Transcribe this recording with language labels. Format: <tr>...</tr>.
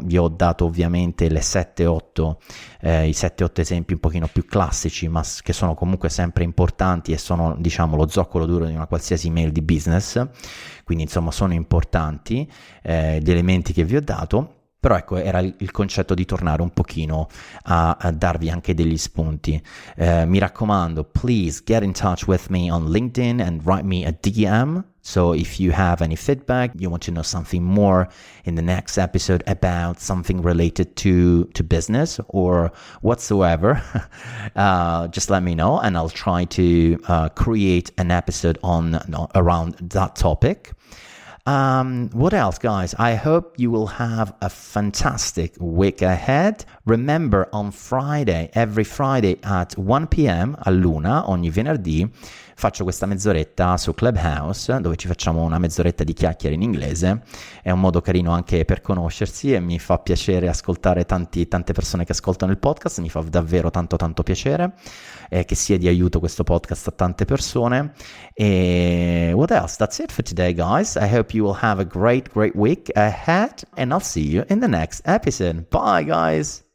<it>Vi ho dato ovviamente le 7-8 i 7-8 esempi un pochino più classici, ma che sono comunque sempre importanti e sono, diciamo, lo zoccolo duro di una qualsiasi email di business, quindi insomma sono importanti gli elementi che vi ho dato. Però ecco, era il concetto di tornare un pochino a darvi anche degli spunti. Mi raccomando,</it> <en>please get in touch with me on LinkedIn and write me a DM. So if you have any feedback, you want to know something more in the next episode about something related to business or whatsoever, just let me know and I'll try to create an episode on around that topic. What else, guys? I hope you will have a fantastic week ahead. Remember, on Friday, every Friday at 1 p.m.</en> <it>a Luna, ogni venerdì, faccio questa mezz'oretta su Clubhouse, dove ci facciamo una mezz'oretta di chiacchiere in inglese. È un modo carino anche per conoscersi e mi fa piacere ascoltare tante persone che ascoltano il podcast. Mi fa davvero tanto piacere che sia di aiuto questo podcast a tante persone.</it> <en>E what else? That's it for today, guys. I hope you will have a great week ahead and I'll see you in the next episode. Bye, guys!</en>